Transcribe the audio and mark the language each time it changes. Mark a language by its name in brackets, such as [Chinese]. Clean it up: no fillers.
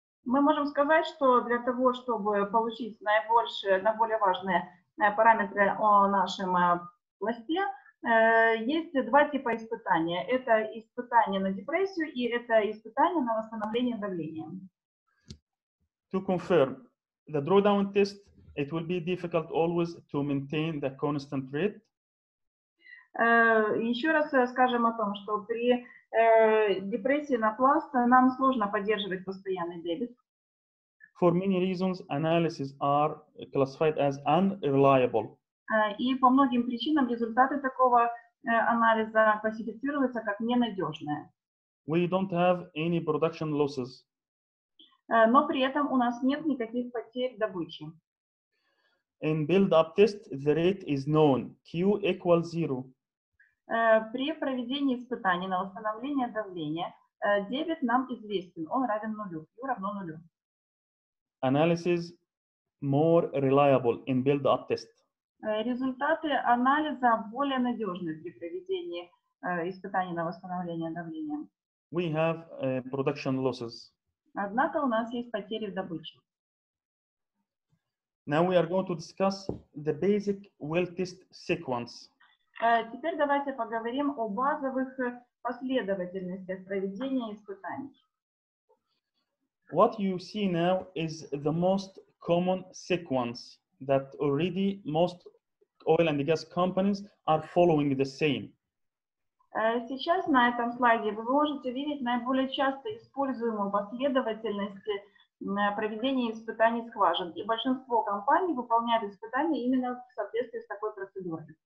[Russian] Мы можем сказать, что для того, чтобы получить наиболее важные параметры о нашем пласте, есть два типа испытания. Это испытание на депрессию и это испытание на восстановление давления. [English] To confirm the drawdown test, it will be difficult always to maintain the constant rate. [Russian] Еще раз скажем о том, что при депрессии на пласт нам сложно поддерживать постоянный дебит. [English] For many reasons, analyses are classified as unreliable. [Russian] И по многим причинам результаты такого анализа классифицируются как ненадежные. [English] We don't have any production losses. [Russian] Но при этом у нас нет никаких потерь добычи. [English] In build-up test, the rate is known. Q equals zero. [Russian] При проведении испытаний на восстановление давления дебит нам известен. Он равен нулю. Q равно нулю. [English] Analysis more reliable in build-up test. [Russian] Результаты анализа более надежны при проведении испытаний на восстановление давления. [English] We have production losses. [Russian] Однако у нас есть потери в добыче. [English] Now we are going to discuss the basic well test sequence. [Russian] Теперь давайте поговорим о базовых последовательностях проведения испытаний. [English] What you see now is the most common sequence that already most oil and gas companies are following the same. [Russian] Сейчас на этом слайде вы можете видеть наиболее часто используемую последовательность проведения испытаний скважин. И большинство компаний выполняют испытания именно в соответствии с такой процедурой.